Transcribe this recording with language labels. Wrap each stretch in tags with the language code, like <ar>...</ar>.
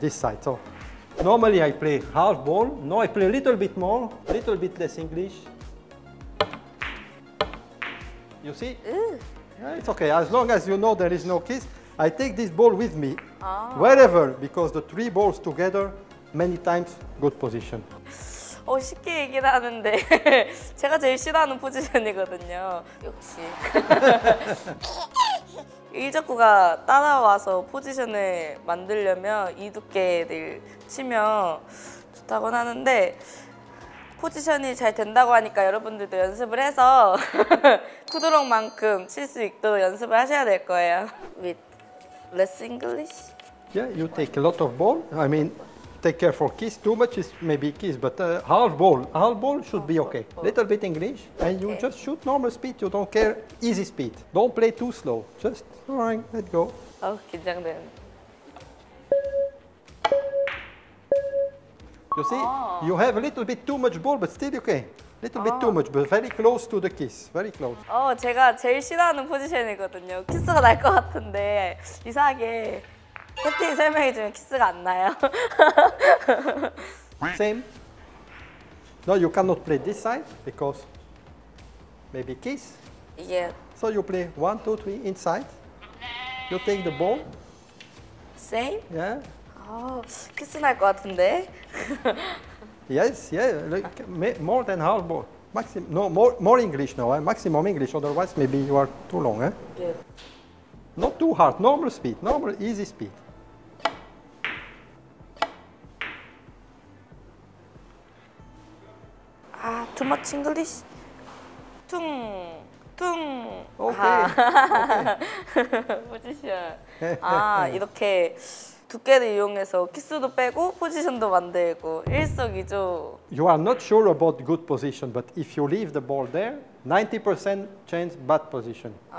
<en>This side. So normally I play half ball. Now I play a little bit more, a little bit less English. You see? Yeah, it's okay. As long as you know there is no kiss, I take this ball with me wherever, because the three balls together, many times, good position.</en> <ko>쉽게 얘기를 하는데 제가 제일 싫어하는 포지션이거든요. 역시 일자구가 따라와서 포지션을 만들려면 이 두께를 치면 좋다고 하는데 포지션이 잘 된다고 하니까 여러분들도 연습을 해서 쿠드롱만큼 칠 수 있도록 연습을 하셔야 될 거예요.</ko> <en>With less English. Yeah, you take a lot of ball. I mean, take care for kiss. Too much is maybe kiss, but half ball should half be okay. Ball. Little bit English, and you okay. just shoot normal speed. You don't care easy speed. Don't play too slow. Just all right, let go.</en> <ko>Oh, 긴장된.</ko> <en>You see, you have a little bit too much ball, but still okay. Little bit too much, but very close to the kiss. Very close.</en> <ko>제가 제일 싫어하는 포지션이거든요. 키스가 날 것 같은데 이상하게. 패팅 설명해주면 키스가 안 나요.</ko> <en>Same. No, you cannot play this side because maybe kiss. Yeah. So you play 1, 2, 3 inside. You take the ball. Same. Yeah.</en> <ko>키스 날 것 같은데.</ko> <en>Yes. Yeah. Like, more than half ball. Maximum. No, more English now. Maximum English. Otherwise, maybe you are too long. Yeah. Not too hard. Normal speed. Normal easy speed. Too much English? 퉁! 퉁!</en> <ko>오케이! 포지션! 이렇게 두께를 이용해서 키스도 빼고 포지션도 만들고 일석이조!</ko> <en>You are not sure about good position, but if you leave the ball there, 90% chance bad position.</en>